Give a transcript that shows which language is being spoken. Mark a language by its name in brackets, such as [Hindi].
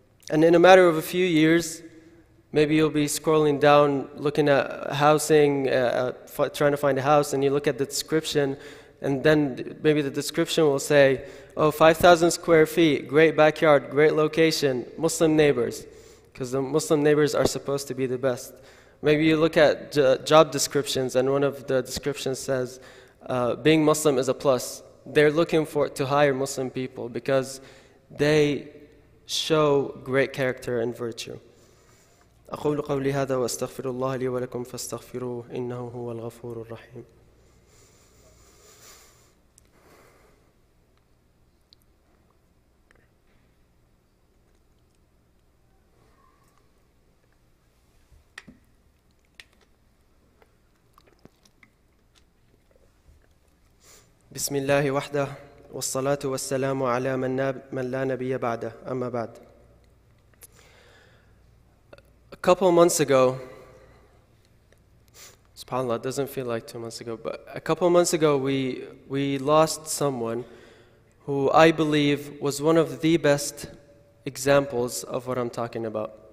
[English] And in a matter of a few years, maybe you'll be scrolling down, looking at housing, trying to find a house, and you look at the description, and then maybe the description will say, oh, 5,000 square feet, great backyard, great location, Muslim neighbors, because the Muslim neighbors are supposed to be the best. Maybe you look at job descriptions, and one of the descriptions says, being Muslim is a plus. They're looking to hire Muslim people because they show great character and virtue. [Arabic] أقول قولي هذا وأستغفر الله لي ولكم فاستغفروه إنه هو الغفور الرحيم. بسم الله وحده والصلاة والسلام على من لا نبي بعده أما بعد. [English] A couple months ago, subhanAllah, it doesn't feel like 2 months ago, but a couple months ago we lost someone who I believe was one of the best examples of what I'm talking about.